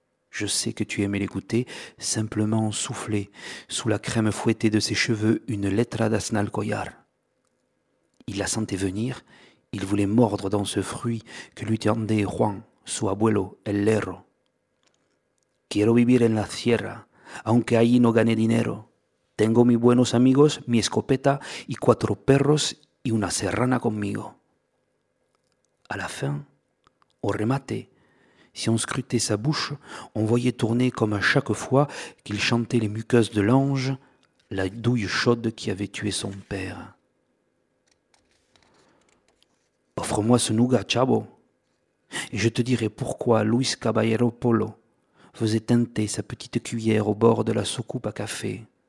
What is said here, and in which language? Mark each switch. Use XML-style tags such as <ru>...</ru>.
<fr>Je sais que tu aimais l'écouter, simplement souffler, sous la crème fouettée de ses cheveux, une lettre d'Asnal Coyar. Il la sentait venir, il voulait mordre dans ce fruit que lui tendait Juan,</fr> <es>su abuelo, el lero. Quiero vivir en la sierra, aunque allí no gane dinero. Tengo mis buenos amigos, mi escopeta y cuatro perros y una serrana conmigo.</es> <fr>À la fin, au remate, si on scrutait sa bouche, on voyait tourner comme à chaque fois qu'il chantait les muqueuses de l'ange, la douille chaude qui avait tué son père. Offre-moi ce nougat, chavo, et je te dirai pourquoi Luis Caballero Polo faisait teinter sa petite cuillère au bord de la soucoupe à café.</fr>